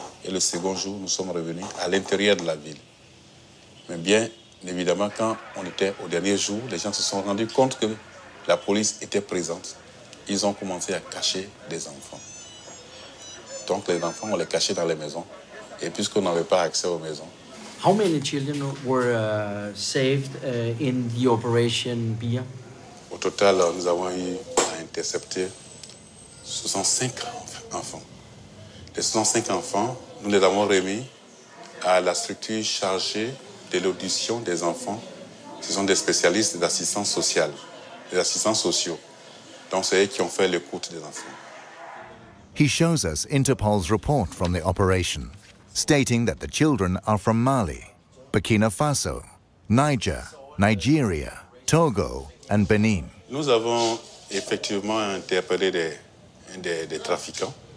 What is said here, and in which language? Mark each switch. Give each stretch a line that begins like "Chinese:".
French: Et le second jour, nous sommes revenus à l'intérieur de la ville. Mais bien évidemment, quand on était au dernier jour, les gens se sont rendus compte que la police était présente. Ils ont commencé à cacher des enfants. Donc les enfants, on les cachait dans les maisons. Et puisqu'on n'avait pas accès aux maisons.
English: How many children were saved in the operation Bia?
French: Au total, nous avons eu à intercepter 65 enfants. Les 65 enfants, nous les avons remis à la structure chargée de l'audition des enfants. Ce sont des spécialistes d'assistance sociale, des assistants sociaux. Donc, c'est eux qui ont fait l'écoute des enfants.
English: He shows us Interpol's report from the operation, stating that the children are from Mali, Burkina Faso, Niger, Nigeria, Togo, and Benin.
French: Nous avons effectivement interpellé des trafiquants.